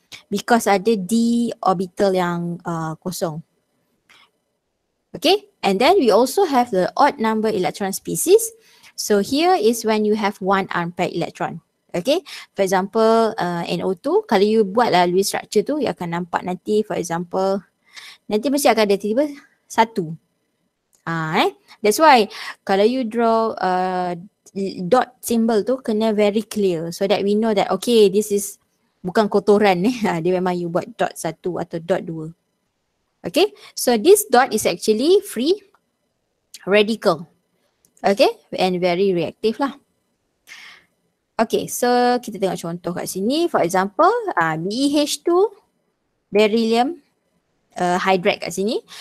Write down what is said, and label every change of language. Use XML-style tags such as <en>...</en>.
<ms>Because ada d orbital yang kosong.</ms> <en>Okay, and then we also have the odd number electron species. So here is when you have one unpaired electron. Okay, for example</en> <ms>NO2, kalau you buat lah Lewis structure tu, you akan nampak nanti for example nanti mesti akan ada tiba-tiba satu.</ms> <en>That's why kalau you draw dot symbol tu kena very clear so that we know that okay, this is</en> <ms>bukan kotoran ni. Dia memang you buat dot satu atau dot dua.</ms> <en>Okay, so this dot is actually free radical. Okay, and very reactive lah. Okay, so</en> <ms>kita tengok contoh kat sini.</ms> <en>For example, BeH2, beryllium, hydride kat sini.</en>